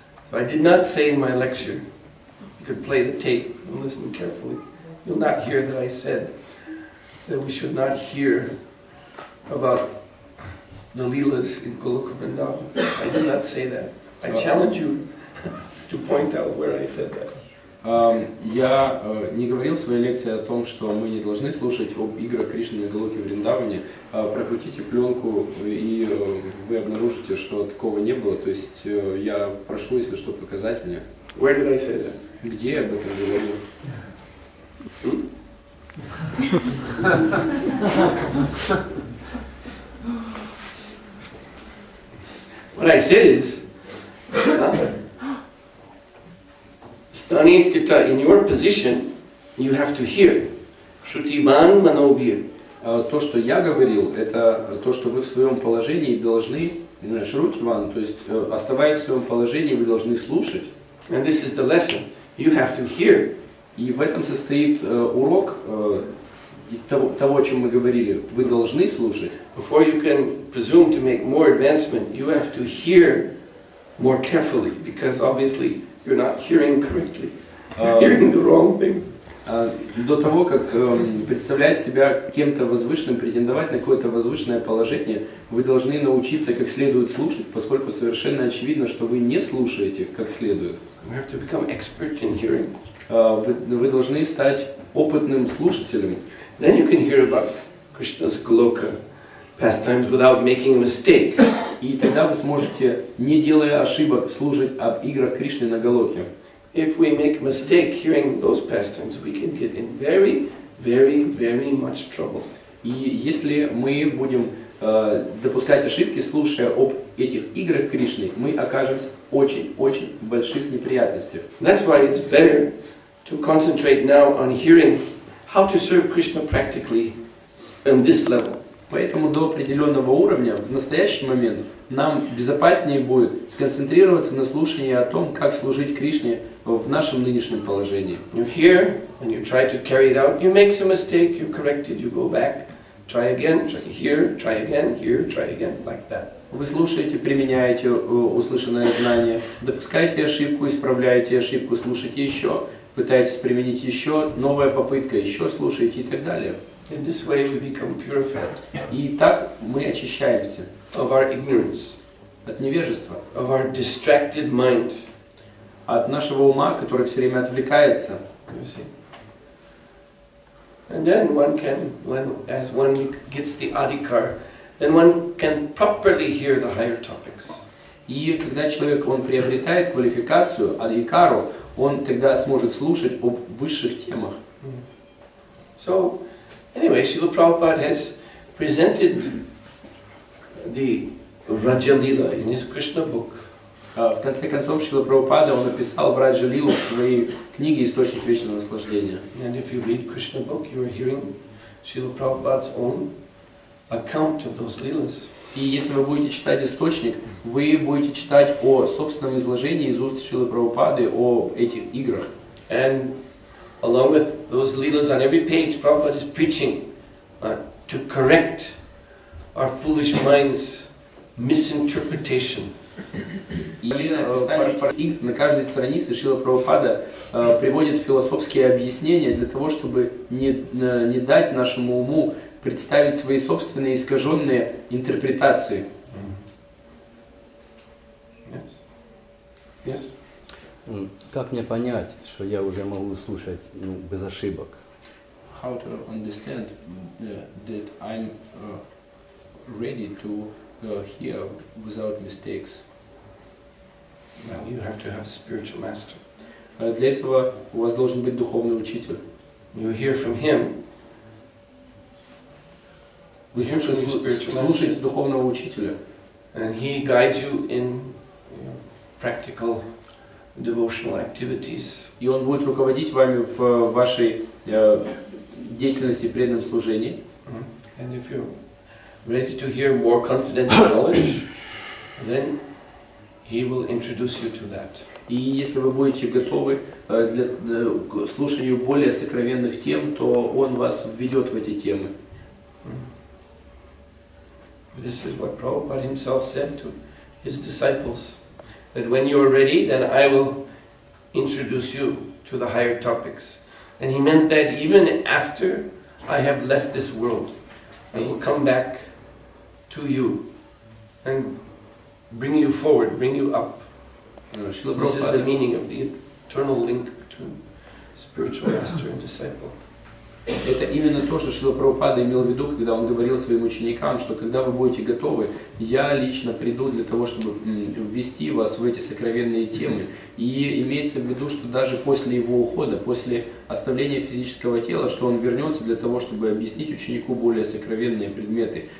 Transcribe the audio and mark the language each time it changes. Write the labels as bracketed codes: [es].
[en] So I did not say in my lecture, you could play the tape and listen carefully, you'll not hear that I said that we should not hear about the leelas in Goloka Vrindavan. I did not say that. I challenge you to point out where I said that. [ru] Я не говорил в своей лекции о том, что мы не должны слушать об играх Кришны на Голоке Вриндаване. Прокрутите пленку, и вы обнаружите, что такого не было. То есть я прошу, если что, показать мне. [en] Where did I say that? [ru] Где я об этом говорил? [en] What I said is, Sthanistita, in your position, you have to hear. Shutiman manobir. [ru] То, что я говорил, это то, что вы в своем положении должны, Shrutiman, то есть оставаясь в своем положении, вы должны слушать. [en] And this is the lesson. You have to hear. [ru] И в этом состоит урок того, о чем мы говорили. Вы должны слушать. [en] Before you can presume to make more advancement, you have to hear more carefully, because obviously you're not hearing correctly. Hearing the wrong thing. [ru] До того, как представлять себя кем-то возвышенным, претендовать на какое-то возвышенное положение, вы должны научиться как следует слушать, поскольку совершенно очевидно, что вы не слушаете как следует. [en] We have to become expert in hearing. [ru] Вы должны стать опытным слушателем. [en] Then you can hear about Krishna's Goloka pastimes without making a mistake. [ru] И тогда вы сможете, не делая ошибок, слушать об играх Кришны на Голоке. [en] If we make a mistake hearing those pastimes, we can get in very, very, very much trouble. [ru] И если мы будем допускать ошибки, слушая об этих играх Кришны, мы окажемся в очень, очень больших неприятностях. [en] That's why it's better to concentrate now on hearing how to serve Krishna practically on this level. [ru] Поэтому до определенного уровня, в настоящий момент, нам безопаснее будет сконцентрироваться на слушании о том, как служить Кришне в нашем нынешнем положении. [en] You hear, and you try to carry it out, you make some mistake, you correct it, you go back, try again, hear, try again, like that. [ru] Вы слушаете, применяете услышанное знание, допускаете ошибку, исправляете ошибку, слушаете еще, пытаетесь применить еще, новая попытка, еще слушаете и так далее. [en] In this way we become purified. [ru] И так мы очищаемся. [en] Of our ignorance. [ru] От невежества. [en] Of our distracted mind. [ru] От нашего ума, который все время отвлекается. [en] You see? And then one can, when, as one gets the adhikar, then one can properly hear the higher topics. [ru] И когда человек, он приобретает квалификацию, адхикару, он тогда сможет слушать о высших темах. [en] So, anyway, Srila Prabhupada has presented the Rajalila in his Krishna book. [ru] В конце концов, Шрила Прабхупада, он написал в Раджа-лилу в своей книге «Источник вечного наслаждения». [en] And if you read Krishna book, you are hearing Srila Prabhupada's own account of those lilas. [ru] И если вы будете читать источник, вы будете читать о собственном изложении из уст Шрилы Прабхупады о этих играх. [en] And along with those lilas on every page, Prabhupada is preaching to correct our foolish minds' misinterpretation. [ru] И на каждой странице Шрила Прабхупада приводит философские объяснения для того, чтобы не дать нашему уму представить свои собственные искаженные интерпретации. Как мне понять, что я уже могу слушать без ошибок? [en] How to understand that I'm ready to hear without mistakes? Well, you have to have a spiritual master. [ru] Для этого у вас должен быть духовный учитель. [en] You hear from him. [ru] Вы слушаете духовного учителя. [en] And he guides you in practical devotional activities. [ru] И он будет руководить вами в вашей деятельности преданном служении. [en] And if you're ready to hear more confidential knowledge, then he will introduce you to that. [ru] И если вы будете готовы для к слушанию более сокровенных тем, то он вас введет в эти темы. [en] This is what Prabhupada himself said to his disciples, that when you are ready, then I will introduce you to the higher topics. And he meant that even after I have left this world, I will come back to you and bring you forward, bring you up. Srila this Prabhupada is the meaning of the eternal link between spiritual master and disciple. [ru] Это именно то, что Шрила Прабхупада имел в виду, когда он говорил своим ученикам, что когда вы будете готовы, я лично приду для того, чтобы ввести вас в эти сокровенные темы. И имеется в виду, что даже после его ухода, после оставления физического тела, что он вернется для того, чтобы объяснить ученику более сокровенные предметы.